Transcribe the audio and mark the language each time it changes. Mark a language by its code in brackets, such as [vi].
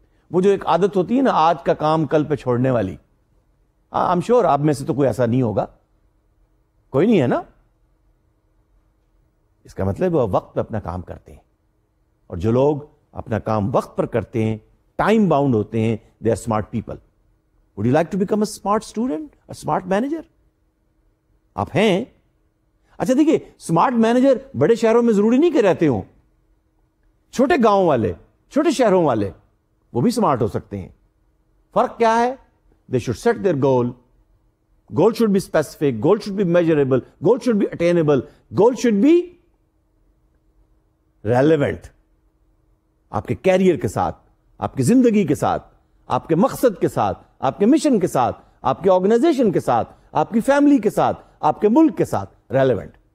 [ur] وہ جو ایک عادت ہوتی ہے نا آج کا کام کل پہ چھوڑنے والی, [en] I am sure [ur] آپ میں سے تو کوئی ایسا نہیں ہوگا, کوئی نہیں ہے نا. اس کا مطلب وہ وقت پہ اپنا کام کرتے ہیں, اور جو لوگ اپنا کام وقت پر کرتے ہیں, ٹائم باؤنڈ ہوتے ہیں, [en] They are smart people. Would you like to become a smart student, a smart manager? [ur] آپ ہیں. اچھا دیکھیے, اسمارٹ مینیجر بڑے شہروں میں ضروری نہیں کہ رہتے ہوں, چھوٹے گاؤں والے, چھوٹے شہروں والے وہ بھی اسمارٹ ہو سکتے ہیں. فرق کیا ہے, [en] they should set their goal, goal should be specific, goal should be measurable, goal should be attainable, goal should be relevant [ur] آپ کے کیریئر کے ساتھ, آپ کی زندگی کے ساتھ, آپ کے مقصد کے ساتھ, آپ کے مشن کے ساتھ, آپ کے آرگنائزیشن کے ساتھ, آپ کی فیملی کے ساتھ, آپ کے ملک کے ساتھ, ریلیونٹ.